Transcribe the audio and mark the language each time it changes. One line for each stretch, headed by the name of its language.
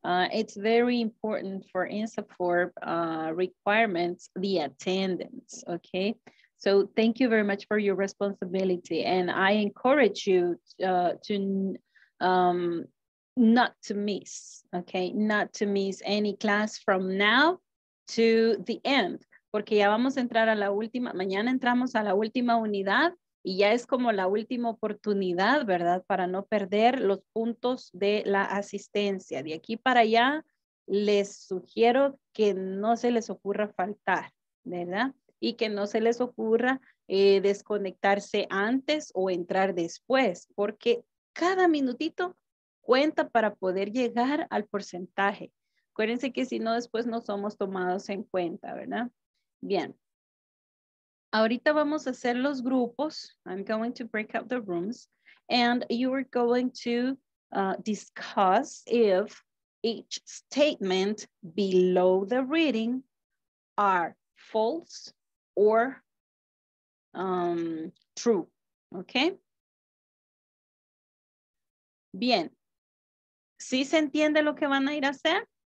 English: It's very important for INSAFORP requirements, the attendance, okay? So thank you very much for your responsibility. And I encourage you not to miss any class from now to the end.
Spanish: Porque ya vamos a entrar a la última, mañana entramos a la última unidad y ya es como la última oportunidad, ¿verdad? Para no perder los puntos de la asistencia. De aquí para allá, les sugiero que no se les ocurra faltar, ¿verdad? Y que no se les ocurra desconectarse antes o entrar después, porque cada minutito cuenta para poder llegar al porcentaje. Acuérdense que si no, después no somos tomados en cuenta, ¿verdad? Bien, Ahorita vamos a hacer los grupos.
English: I'm going to break up the rooms. And you are going to discuss if each statement below the reading are false or true. Okay?
Spanish: Bien. ¿Sí se entiende lo que van a ir a hacer?